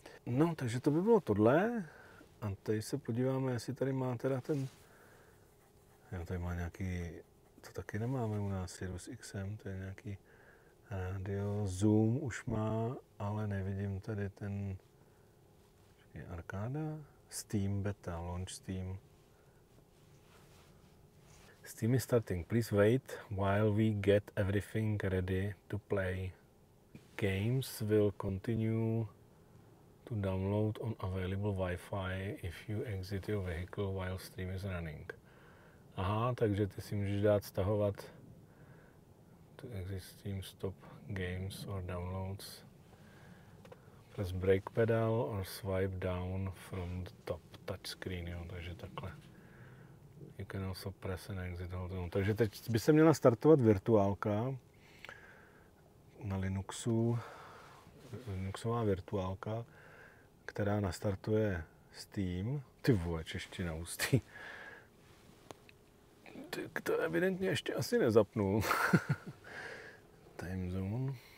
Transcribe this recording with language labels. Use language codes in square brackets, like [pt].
[cs] No, takže to by bylo tohle a teď se podíváme, jestli tady má teda ten, jo, tady má nějaký, to taky nemáme u nás, Sirius XM, to je nějaký rádio, Zoom už má, ale nevidím tady ten, je Arkáda, Steam Beta, Launch Steam. [en] Steam is starting, please wait while we get everything ready to play. Games will continue to download on available Wi-Fi if you exit your vehicle while stream is running. [cs] Aha, takže ty si můžeš dát stahovat to [en] exit Steam stop. Games or downloads. Press brake pedal or swipe down from the top touchscreen, [cs] jo, takže takhle. [en] You can also press and exit hold on. [cs] Takže teď by se měla startovat virtuálka na Linuxu. Linuxová virtuálka, která nastartuje Steam. Ty vole, čeština ústí. Tak to evidentně ještě asi nezapnul. [en] Time zone.